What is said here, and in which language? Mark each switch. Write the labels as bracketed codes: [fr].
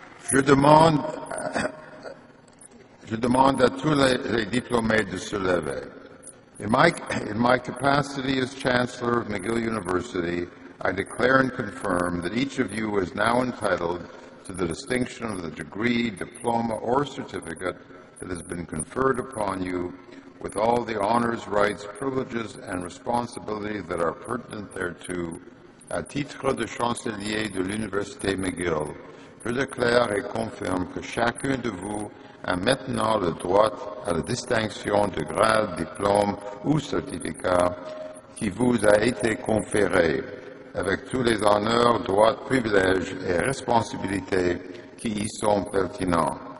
[fr] Je demande à tous les diplômés de se lever. [en] In my capacity as Chancellor of McGill University, I declare and confirm that each of you is now entitled to the distinction of the degree, diploma, or certificate that has been conferred upon you with all the honors, rights, privileges, and responsibilities that are pertinent thereto. [fr] À titre de chancelier de l'Université McGill, je déclare et confirme que chacun de vous a maintenant le droit à la distinction de grade, diplôme ou certificat qui vous a été conféré avec tous les honneurs, droits, privilèges et responsabilités qui y sont pertinents.